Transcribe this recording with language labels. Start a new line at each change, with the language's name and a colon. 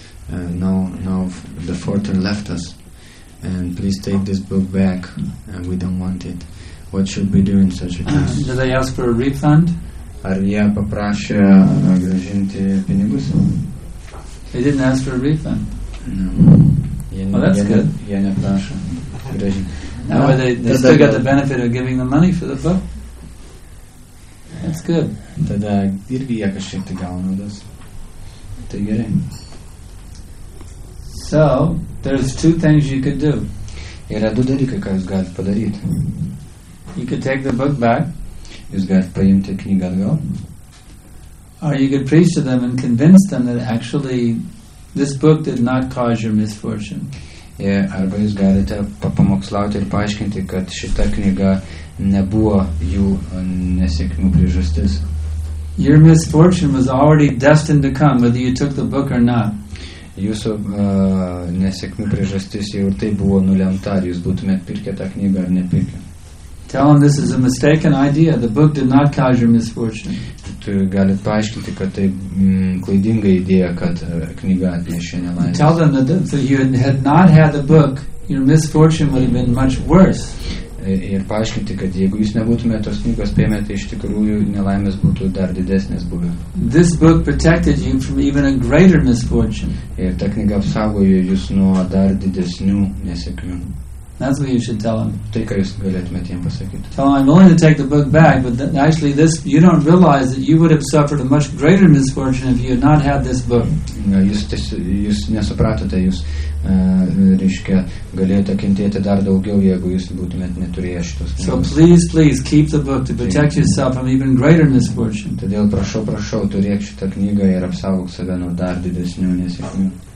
English: The fortune left us, and please take this book back. We don't want it. What should we do in such a case? Did they ask for a refund?
Lithuanian: Ar jie paprašė grąžinti pinigus?
English: They didn't ask for a refund. No. Well, that's good.
Lithuanian: Jie neprašė grąžinti.
English: Now they still got the benefit of giving the money for the book. That's good.
Lithuanian: Tada irgi jie kažkiek tai gauna naudos. Tai gerai.
English: So, there's two things you could do.
Lithuanian: Yra du dalykai, ką jūs galite padaryti.
English: You could take the book back.
Lithuanian: Jūs galite paimti knygą atgal.
English: Or you could preach to them and convince them that actually this book did not cause your misfortune.
Lithuanian: Yeah, arba jūs galite pamokslauti ir paaiškinti, kad šita knyga nebuvo jų nesėkmių priežastis.
English: Your misfortune was already destined to come, whether you took the book or not.
Lithuanian: Jūsų nesėkmių priežastis jau tai buvo nulemta, ar jūs būtumėt pirkę tą knygą ar nepirkę.
English: Tell them this is a mistaken idea. The book did not cause your misfortune.
Lithuanian: Tu galit paaiškinti, kad tai klaidinga idėja, kad knyga atnešė nelaimę.
English: Tell them that if you had not had the book, your misfortune would have been much worse.
Lithuanian: Ir paaiškinti, kad jeigu jūs nebūtumėt tos knygos paėmę, tai iš tikrųjų nelaimės būtų dar didesnės buvę.
English: This book protected you from even a greater misfortune.
Lithuanian: Ir ta knyga apsaugojo jūs nuo dar didesnių nesėkmių.
English: That's what you should tell him.
Lithuanian: Tai, ką jūs galėtumėt jiems pasakyti.
English: Tell him, I'm willing to take the book back, but actually this, you don't realize that you would have suffered a much greater misfortune if you had not had this book.
Lithuanian: Jūs nesupratote, jūs reiškia, galėjote kentėti dar daugiau, jeigu jūs būtumėt neturėję šitos.
English: So please, please, keep the book to protect yourself from even greater misfortune.
Lithuanian: Todėl prašau, turėk šitą knygą ir apsaugok save nuo dar didesnių nesėkmių.